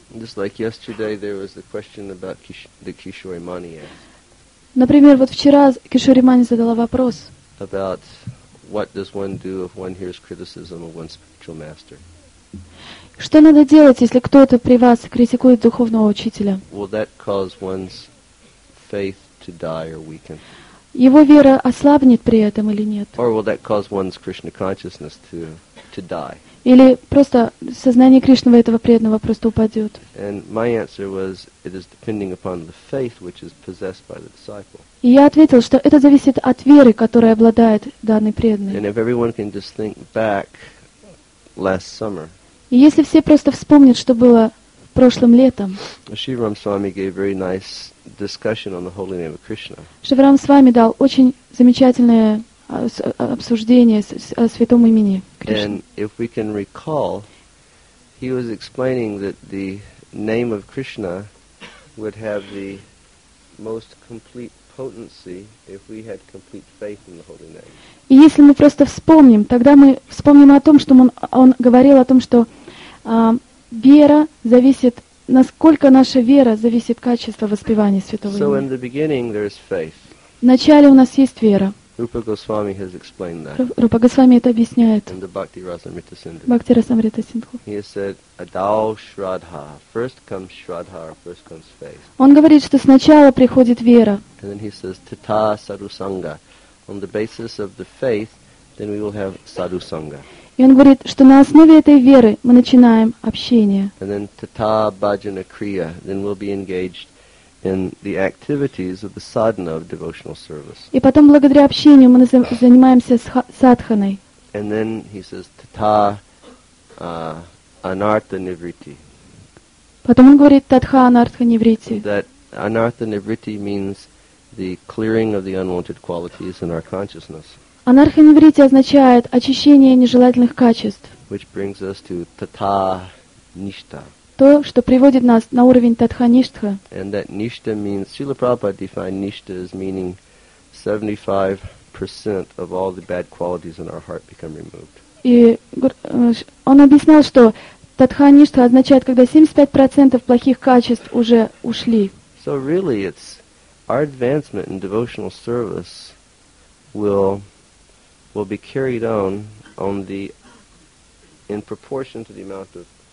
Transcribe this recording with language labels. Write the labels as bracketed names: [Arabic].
[English] Just like yesterday, there was the question about the Kishore Mani asked. [Russian] Например, вот вчера Кишори Мани задала вопрос. [English] About what does one do if one hears criticism of one's spiritual master? [Russian] Что надо делать, если кто-то при вас критикует духовного учителя? [English] Will that cause one's faith to die or weaken? [Russian] Его вера ослабнет при этом или нет? [English] Or will that cause one's Krishna consciousness to die? [Russian] Или просто сознание Кришны этого преданного просто упадет? [English] And my answer was, it is depending upon the faith which is possessed by the disciple. [Russian] И я ответил, что это зависит от веры, которой обладает данный преданный. [English] And if everyone can just think back last summer, [Russian] и если все просто вспомнят, что было прошлым летом, [English] Шиварам Свами gave very nice discussion on the holy name of Krishna. [Russian] Шиварам Свами дал очень замечательное обсуждение о святом имени Кришны. [English] And if we can recall, he was explaining that the name of Krishna would have the most complete potency if we had complete faith in the holy name. [Russian] И если мы просто вспомним, тогда мы вспомним о том, что он говорил о том, что вера зависит, насколько наша вера зависит качество воспевания святого имени. [English] So in the beginning there is faith. [Russian] Вначале у нас есть вера. [English] Rupa Goswami has explained that. [Russian] Rupa Goswami это объясняет. [English] In the Bhakti Rasamrita Sindhu. Bhakti Rasamrita Sindhu. He has said, "Adau Shraddha. First comes Shraddha, or first comes faith." [Russian] Он говорит, что сначала приходит вера. [English] And then he says, "Tita Sadhu Sangha." On the basis of the faith, then we will have Sadhu Sangha. [Russian] И он говорит, что на основе этой веры мы начинаем общение. [English] And then Tita Bhajana Kriya. Then we'll be engaged in the activities of the sadhana of devotional service. [Russian] И потом благодаря общению мы занимаемся садханой. [English] And then he says tata anartha nivritti. [Russian] Потом он говорит татха анартха нивритти. [English] That anartha nivritti means the clearing of the unwanted qualities in our consciousness. [Russian] Анартха нивритти означает очищение нежелательных качеств. [English] Which brings us to tata nishta. [Russian] То, что приводит нас на уровень татха-ништха. [English] And that nishta means, Srila Prabhupada defined nishta as meaning 75% of all the bad qualities in our heart become removed. [Russian] И он объяснял, что татха-ништха означает, когда 75% плохих качеств уже ушли. [English] So really, it's our advancement in devotional service will be carried on the in proportion to the amount of